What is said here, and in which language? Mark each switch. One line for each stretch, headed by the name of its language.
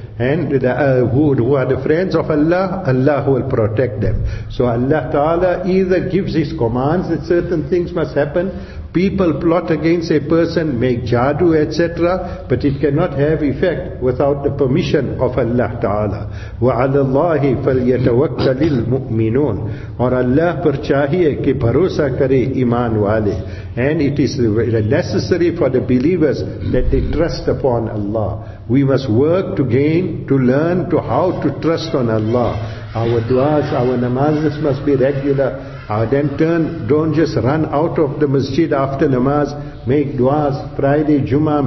English: And who are the friends of Allah, Allah will protect them. So Allah Ta'ala either gives His commands that certain things must happen, people plot against a person, make jadu, etc., but it cannot have effect without the permission of Allah Ta'ala.
Arabic: وَعَلَى اللَّهِ فَلْيَتَوَكَّلِ الْمُؤْمِنُونَ.
Urdu: اور اللہ پر چاہیے کہ بھروسہ کرے ایمان والے.
English: And it is necessary for the believers that they trust upon Allah. We must work to gain, to learn to how to trust on Allah. Our du'as, our namazes must be regular. Don't just run out of the masjid after namaz, make du'as, Friday, Jummah.